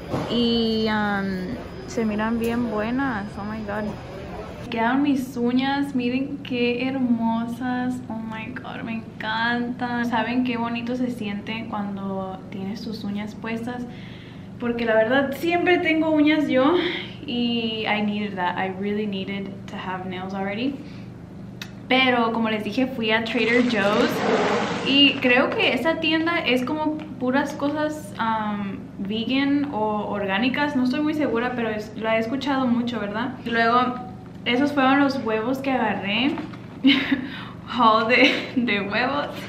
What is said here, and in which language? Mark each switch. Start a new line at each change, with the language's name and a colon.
Spanish: Y se miran bien buenas,
English: oh my god.
Spanish: Quedaron mis uñas, miren qué hermosas.
English: Oh my god,
Spanish: me encantan. ¿Saben qué bonito se siente cuando tienes tus uñas puestas? Porque la verdad siempre tengo uñas yo.
English: Y I needed that, I really needed to have nails already.
Spanish: Pero como les dije, fui a Trader Joe's. Y creo que esa tienda es como puras cosas vegan o orgánicas. No estoy muy segura, pero la he escuchado mucho, ¿verdad? Y luego... esos fueron los huevos que agarré. Haul de huevos.